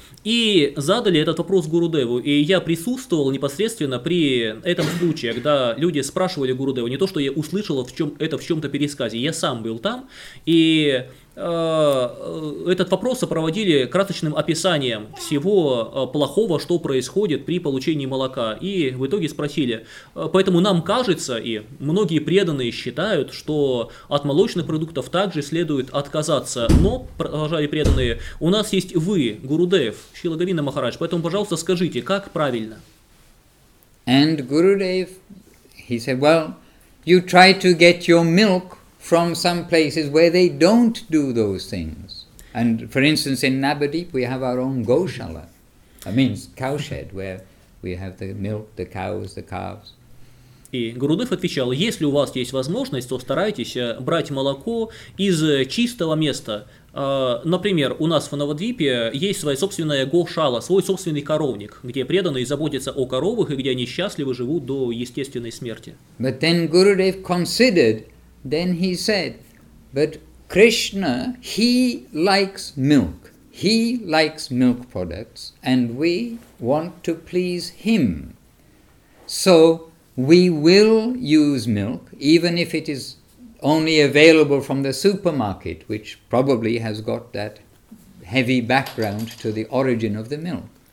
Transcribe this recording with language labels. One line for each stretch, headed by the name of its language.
Russian: и задали этот вопрос Гурудеву, и я присутствовал непосредственно при этом случае, когда люди спрашивали Гурудеву, не то, что я услышал это в чем-то пересказе, я сам был там, и этот вопрос сопроводили красочным описанием всего плохого, что происходит при получении молока. И в итоге спросили, поэтому нам кажется, и многие преданные считают, что от молочных продуктов также следует отказаться. Но, продолжали преданные, у нас есть вы, Гурудев, Шрила Говинда Махарадж, поэтому, пожалуйста, скажите, как правильно?
English: And Gurudev, he said, well, you try to get your milk from some places where they don't do those things. And for instance, in Navadvip, we have our own goshala. That means cowshed, where we have the milk, the cows, the calves.
Russian: И Гурудев отвечал, если у вас есть возможность, то старайтесь брать молоко из чистого места. Например, у нас в Навадвипе есть своя собственная гошала, свой собственный коровник, где преданные заботятся о коровах и где они счастливо живут до естественной смерти.
English: But then Gurudev considered, then he said, but Krishna, he likes milk. He likes milk products and we want to please him. So we will use milk, even if it is only available from the supermarket, which probably has got that heavy background to the origin of the milk.